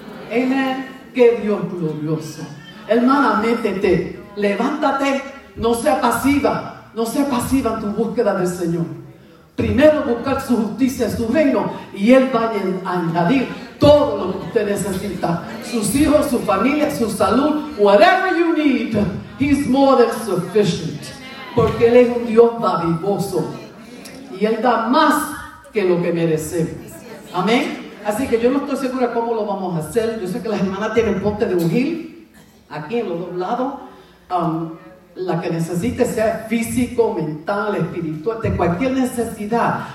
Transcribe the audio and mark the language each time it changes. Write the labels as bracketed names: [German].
[Spanish] Amén. Qué Dios glorioso. Hermana, métete. Levántate. No sea pasiva. No sea pasiva en tu búsqueda del Señor. Primero buscar su justicia, su reino, y Él va a añadir todo lo que usted necesita. Sus hijos, su familia, su salud. [English] Whatever you need, He's more than sufficient. [Spanish] Porque Él es un Dios babiboso. Y Él da más que lo que merecemos. Amén. Así que yo no estoy segura cómo lo vamos a hacer. Yo sé que las hermanas tienen ponte de ungir aquí en los dos lados. La que necesite, sea físico, mental, espiritual, de cualquier necesidad.